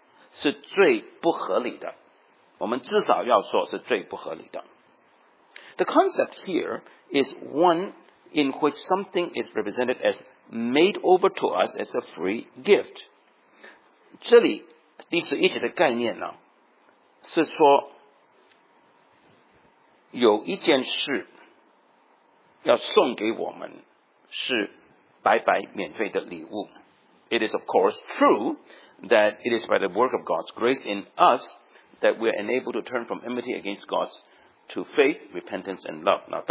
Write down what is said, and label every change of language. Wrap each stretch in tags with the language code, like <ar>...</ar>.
<zh>这个的概念就是我们领受与神的复合呢，假如要去调整它，迁就它，变成把我们的心里面的敌意拿走或者拿开呢，是最不合理的。</zh> <en>The concept here is one in which something is represented as made over to us as a free gift.</en> <zh>这里第十一节的概念呢，是说有一件事要送给我们，是白白免费的礼物。</zh> <en>It is of course true that it is by the work of God's grace in us that we are enabled to turn from enmity against God to faith, repentance, and love.</en>